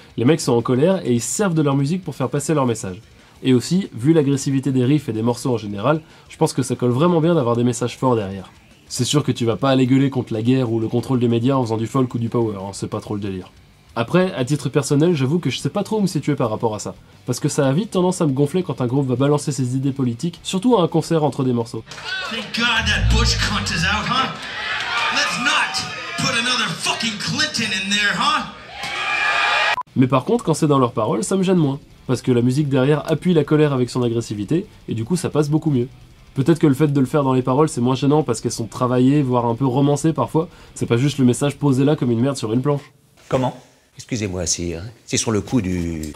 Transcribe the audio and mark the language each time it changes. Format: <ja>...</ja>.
<fr>Les mecs sont en colère et ils servent de leur musique pour faire passer leur message. Et aussi, vu l'agressivité des riffs et des morceaux en général, je pense que ça colle vraiment bien d'avoir des messages forts derrière. C'est sûr que tu vas pas aller gueuler contre la guerre ou le contrôle des médias en faisant du folk ou du power, hein, c'est pas trop le délire. Après, à titre personnel, j'avoue que je sais pas trop où me situer par rapport à ça, parce que ça a vite tendance à me gonfler quand un groupe va balancer ses idées politiques, surtout à un concert entre des morceaux.</fr> <en>Thank God that Bush cunt is out, huh? Let's not put another fucking Clinton in there, huh?</en> <fr>Mais par contre, quand c'est dans leurs paroles, ça me gêne moins. Parce que la musique derrière appuie la colère avec son agressivité, et du coup ça passe beaucoup mieux. Peut-être que le fait de le faire dans les paroles c'est moins gênant parce qu'elles sont travaillées, voire un peu romancées parfois, c'est pas juste le message posé là comme une merde sur une planche. Comment? Excusez-moi, sire, c'est sur le coup du...</fr>